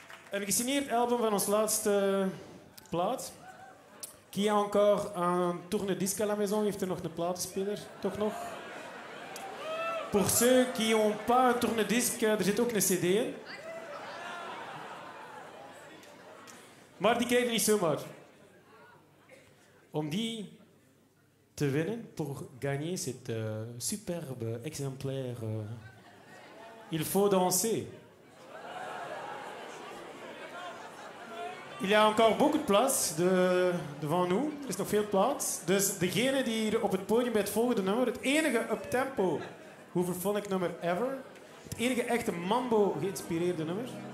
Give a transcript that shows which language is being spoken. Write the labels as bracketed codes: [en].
[nl] Een gesigneerd album van ons laatste plaat. [fr] Qui a encore un tourne-disque à la maison. [nl] Heeft er nog een platenspeler? Toch nog? [fr] Pour ceux qui n'ont pas un tourne-disque, [nl] er zit ook een CD in. Maar die krijg je niet zomaar. Om die te winnen, [fr] pour gagner cet superbe exemplaire, il faut danser. Il y a encore beaucoup de place devant nous. [nl] Er is nog veel plaats. Dus degene die hier op het podium bij het volgende nummer, het enige up-tempo... Hoeveel vond ik nummer ever? Het enige echte mambo-geïnspireerde nummer.